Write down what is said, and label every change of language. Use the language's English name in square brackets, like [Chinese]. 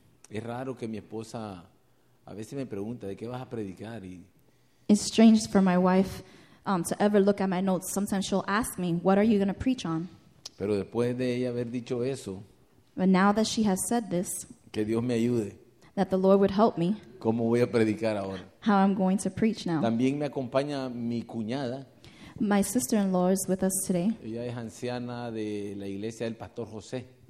[Spanish] Es raro que mi esposa a veces me pregunta de qué vas a predicar. [English] It's strange for my wife to ever look at my notes. Sometimes she'll ask me, "What are you going to preach on?" [Spanish] Pero después de ella haber dicho eso. [English] But now that she has said this. [Spanish] Que Dios me ayude. [English] That the Lord would help me. [Spanish] ¿Cómo voy a predicar ahora? [English] How I'm going to preach now. [Spanish] También me acompaña mi cuñada. [English] My sister-in-law is with us today. [Spanish] Ella es anciana de la iglesia del Pastor José.